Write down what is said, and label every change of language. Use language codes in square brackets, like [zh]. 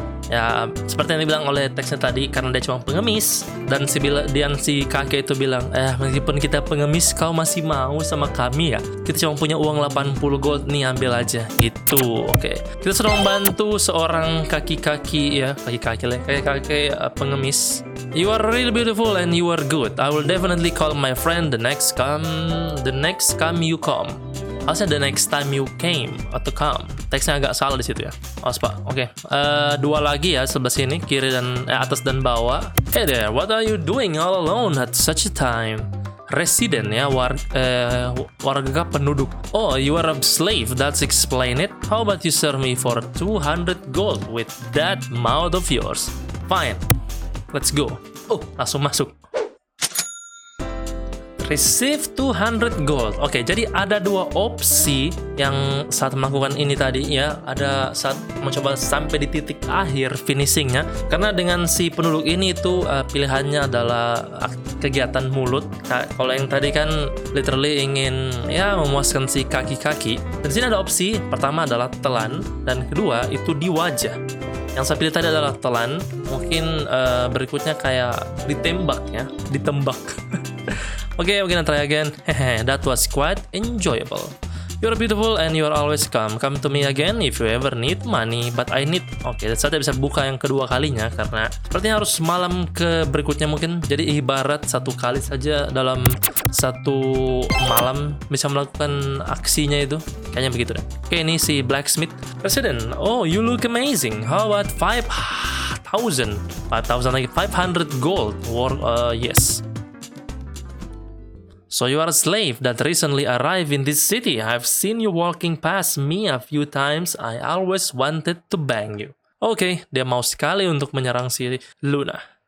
[id] Ya, seperti yang dibilang oleh teksnya tadi, karena dia cuma pengemis. Dan si kakek itu bilang, meskipun kita pengemis, kau masih mau sama kami ya? Kita cuma punya uang 80 gold, nih ambil aja. Gitu, oke. Kita sudah membantu seorang kaki-kaki, ya. Kaki-kaki pengemis. [en] You are really beautiful and you are good. I will definitely call my friend the next time you come. [id] Maksudnya [en] the next time you came [id] atau come. Teksnya agak salah di situ ya. Awas pak. Oke. Dua lagi ya sebelah sini, kiri dan atas dan bawah. [en] Hey there, what are you doing all alone at such a time? Resident [id] ya, warga penduduk. [en] Oh, you are a slave. That's explain it. How about you serve me for 200 gold with that mouth of yours? Fine. Let's go. Oh, [id] langsung masuk. [en] Receive 200 gold. [id] Oke, jadi ada dua opsi yang saat melakukan ini tadi ya. Ada saat mencoba sampai di titik akhir finishingnya. Karena dengan si penduduk ini itu pilihannya adalah kegiatan mulut. Kalau yang tadi kan literally ingin ya memuaskan si kaki-kaki. Dan sini ada opsi pertama adalah telan dan kedua itu di wajah. Yang saya pilih tadi adalah telan. Mungkin berikutnya kayak ditembak ya, ditembak. Oke, okay, [en] we're gonna try again. That was quite enjoyable. You're beautiful and you're always come. Come to me again if you ever need money. But I need... [id] Oke, okay, saya bisa buka yang kedua kalinya. Karena sepertinya harus malam ke berikutnya mungkin. Jadi ibarat satu kali saja dalam satu malam bisa melakukan aksinya itu. Kayaknya begitu deh. Oke, okay, ini si blacksmith. President, [en] oh, you look amazing. How about 5,000? 5,000 lagi. 500 gold. Yes. So you are a slave that recently arrived in this city. I've seen you walking past me a few times. I always wanted to bang you. [id] Okay, dia mau sekali untuk menyerang si Luna.